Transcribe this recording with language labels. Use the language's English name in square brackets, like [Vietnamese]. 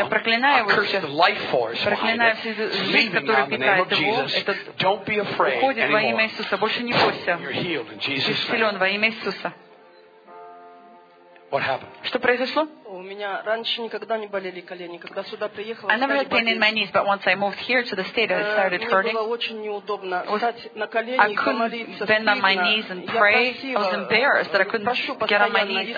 [Russian] Я проклинаю его сейчас. [English] I curse the life force. [Russian] Проклинаю всю жизнь, которая питает его. Этот. [English] Don't be afraid anymore. [Russian] Уходит во имя Иисуса. Больше не бойся. [English] You're healed in Jesus' name. [Russian] Исцелен во имя Иисуса. [English] What happened? [Russian] Что произошло? У меня раньше никогда не болели колени, когда сюда приехала. [English] I never had pain in my knees, but once I moved here to the state, it started hurting. [Russian] Мне было очень неудобно встать на колени и помолиться. [English] I couldn't bend on my knees and pray. I was embarrassed that I couldn't get on my knees.